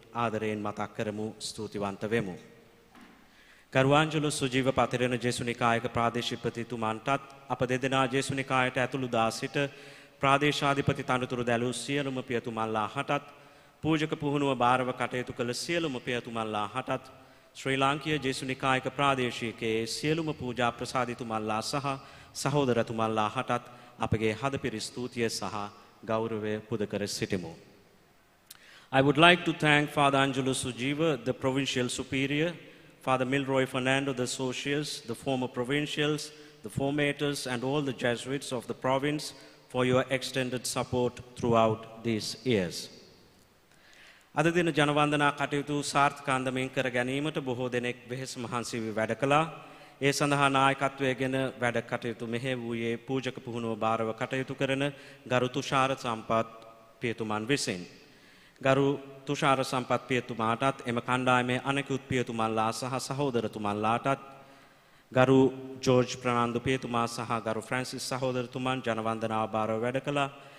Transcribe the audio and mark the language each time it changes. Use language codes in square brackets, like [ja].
[si] ආදරයෙන් මතක් කරමු, ස්තුතිවන්ත වෙමු. කරුවාංජලෝ සුජීව පතිරණ ජේසුනිකායක ප්‍රාදේශීපතිතුමන්ටත් අප දෙදෙනා ජේසුනිකායට ඇතුළු දාසිට ප්‍රාදේශාධිපති තනතුරු දැලූ සියලුම පියතුමන්ලා හටත් පූජක පුහුණුව භාරව කටයුතු කළ සියලුම පියතුමන්ලා හටත් ශ්‍රී ලාංකීය ජේසුනිකායක ප්‍රාදේශීකයේ සියලුම පූජා ප්‍රසාදිතුමන්ලා සහ සහෝදරතුමන්ලා හටත් අපගේ හදපිරි ස්තුතිය සහ ගෞරවය පුද කර සිටිමු. [en] I would like to thank Father Angelo Sujiva, the Provincial Superior, Father Milroy Fernando, the Associates, the former Provincials, the Formators, and all the Jesuits of the province for your extended support throughout these years. [si] අද දින ජනවන්දනා කටයුතු සාර්ථක අන්දමින් කර ගැනීමට බොහෝ දෙනෙක් වෙහෙස මහන්සි වී වැඩ කළා. ඒ සඳහා නායකත්වයේගෙන වැඩ කටයුතු මෙහෙවූයේ පූජක පුහුණුව භාරව කටයුතු කරන ගරු තුෂාර සම්පත් පියතුමන් විසින්. ගරු තුෂාර සම්පත් පියතුමාටත් එම කණ්ඩායමේ අනෙකුත් පියතුමන්ලා සහ සහෝදරතුමන්ලාටත් ගරු ජෝර්ජ් ප්‍රනාන්දු පියතුමා සහ ගරු ෆ්‍රැන්සිස් සහෝදරතුමන් ජනවන්දනා භාරව වැඩ කළා.